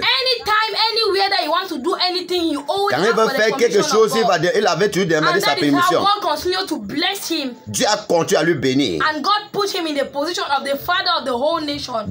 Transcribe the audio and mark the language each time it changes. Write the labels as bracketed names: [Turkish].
[English] Anytime, anywhere that he wants to do anything, he always [French] quand il veut faire quelque chose, il avait toujours demandé [English] and [French] sa permission. [English] God continued to bless him. [French] Dieu a continué à lui bénir. [English] And God put him in the position of the father of the whole nation.